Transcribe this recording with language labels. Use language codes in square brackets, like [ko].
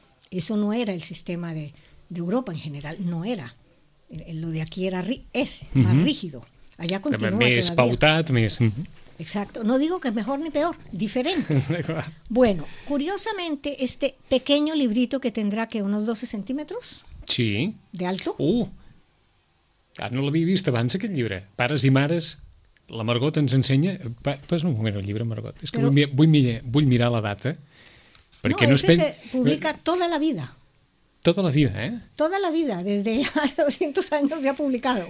[es] Eso no era el sistema de Europa en general, no era. Lo de aquí es más rígido. Allá continúa todavía. [ca] Més pautat, més... [es] Exacto. No digo que mejor ni peor, diferente. Bueno, curiosamente, este pequeño librito que tendrá que unos 12 centímetros sí. de alto. [ca] Ara no l'havia vist abans, aquest llibre. Pares i mares, la Margot ens ensenya... Pas un moment, el llibre, Margot. És que vull mirar la data. Perquè no, se publica tota la vida. [es] Toda la vida, ¿eh? Toda la vida, desde hace 200 años se ha publicado.